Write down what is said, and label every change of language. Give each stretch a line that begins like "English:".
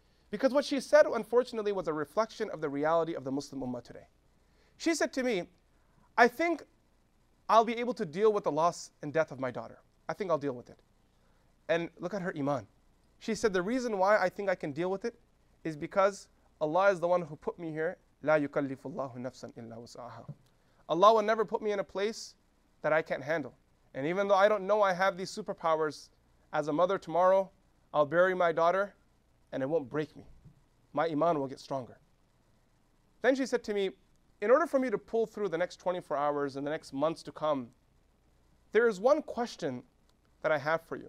English: Because what she said, unfortunately, was a reflection of the reality of the Muslim Ummah today. She said to me, I think I'll be able to deal with the loss and death of my daughter. I think I'll deal with it. And look at her iman. She said, the reason why I think I can deal with it is because Allah is the one who put me here.
Arabic: لا يكلف الله نفسا إلا وسعها.
English: Allah will never put me in a place that I can't handle. And even though I don't know I have these superpowers, as a mother tomorrow, I'll bury my daughter and it won't break me. My iman will get stronger. Then she said to me, in order for me to pull through the next 24 hours and the next months to come, there is one question that I have for you.